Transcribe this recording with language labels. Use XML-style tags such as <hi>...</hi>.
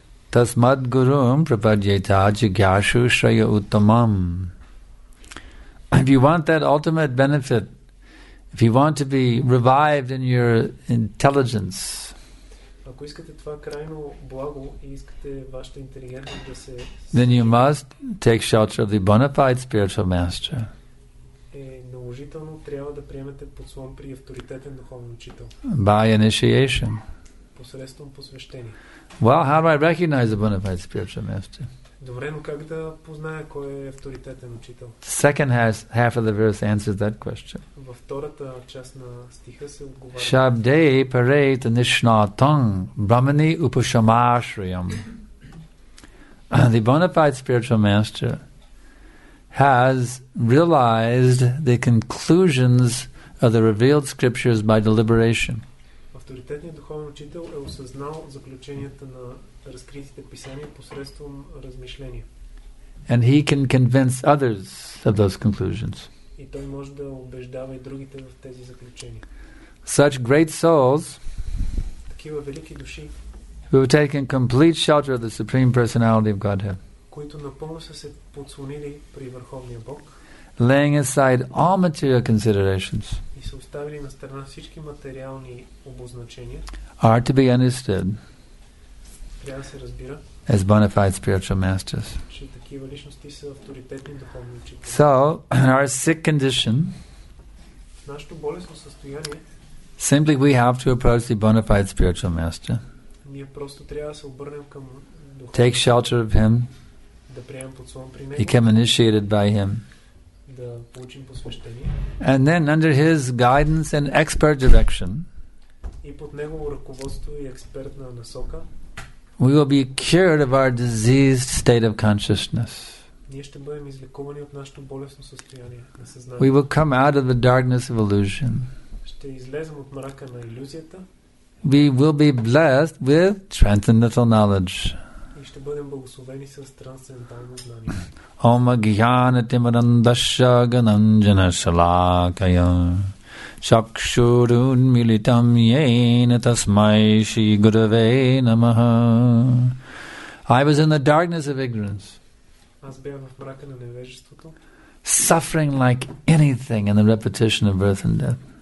<sa>Tasmad Gurum Prapadyeta Jigyashu Shraya Uttamam.</sa> <en>If you want that ultimate benefit, if you want to be revived in your intelligence,</en> <bg>ако искате това крайно благо и искате вашата интелигентност да се...</bg> <en>Then you must take shelter of the bona fide spiritual master.</en> <bg>е наложително, трябва да приемете подслон при авторитетен духовен учител.</bg> <en>By initiation.</en> <bg>Посредством посвещение.</bg> <en>Well, how do I recognize a bona fide spiritual master?</en> <bg>Добре, но как да позная кой е авторитетен учител?</bg> <en>Second half of the verse answers that question.</en> <bg>Във втората част на стиха се отговаря.</bg> <sa>Шабдей парейт нишнатон брамани упашамашриям.</sa> <en>The bona fide spiritual master has realized the conclusions of the revealed scriptures by deliberation.</en> <bg>Авторитетният духовен учител е осъзнал заключенията на разкритите писания посредством размишления.</bg> <en>And he can convince others of those conclusions.</en> <bg>И той може да убеждава и другите в тези заключения.</bg> <en>Such great souls,</en> <bg>такива велики души,</bg> <en>who have taken complete shelter of the Supreme Personality of Godhead,</en> <bg>които напълно са се подслонили при Върховния Бог,</bg> <en>laying aside all material considerations,</en> <bg>и са оставили на страна всички материални обозначения,</bg> <en>are to be understood,</en> <bg>трябва да се разбира,</bg> <en>as bona fide spiritual masters.</en> <bg>Че такива личности са авторитетни духовни учители.</bg> <en>So, our sick condition,</en> <bg>нашето болесно състояние,</bg> <en>simply we have to approach the bona fide spiritual master.</en> <bg>Ние просто трябва да се обърнем към духа.</bg> <en>Take shelter of him.</en> <bg>Да приемем подслон при него.</bg> <en>Become initiated by him.</en> <bg>Да получим посвещение.</bg> <en>And then under his guidance and expert direction.</en> <bg>И под негово ръководство и експертна насока.</bg> <en>We will be cured of our diseased state of consciousness.</en> <bg>Ние ще бъдем излекувани от нашето болесно състояние на съзнанието.</bg> <en>We will come out of the darkness of illusion.</en> <bg>Ще излезем от мрака на илюзията.</bg> <en>We will be blessed with transcendental knowledge.</en> <bg>И ще бъдем благословени с трансцендентално знание.</bg> <sa>Ом гьяна тимарандаша гананджана шалакая чакшурун милитам йена тасмай шри гуруве намаха.</sa> <en>I was in the darkness of ignorance.</en> <bg>Аз бях в мрака на невежеството.</bg> <en>Suffering like anything in the repetition of birth and death.</en>